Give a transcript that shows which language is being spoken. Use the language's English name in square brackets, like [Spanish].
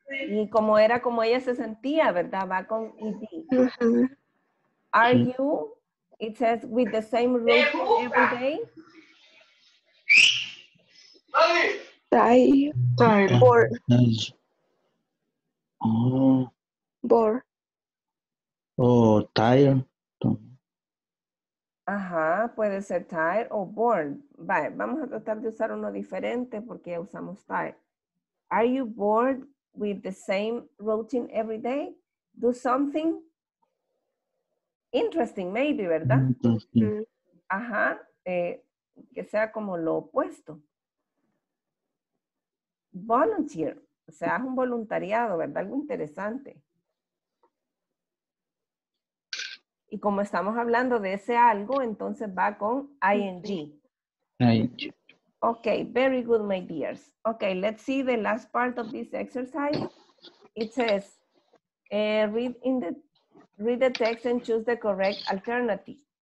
[Spanish] Y como era como ella se sentía, ¿verdad? Va con ED. [English] Are you, it says, with the same routine every day? Tired. Tired. Or, Bored. Oh, tired. [Spanish] Ajá, puede ser tired o bored. Vale, vamos a tratar de usar uno diferente porque ya usamos tired. [English] Are you bored with the same routine every day? Do something interesting, maybe, [Spanish] ¿verdad? [English] Interesting. [Spanish] Ajá, que sea como lo opuesto. Volunteer, o sea, haz un voluntariado, ¿verdad? Algo interesante. Y como estamos hablando de ese algo, entonces va con ING. [English] ING. Okay, very good, my dears. Okay, let's see the last part of this exercise. It says, read the text and choose the correct alternative.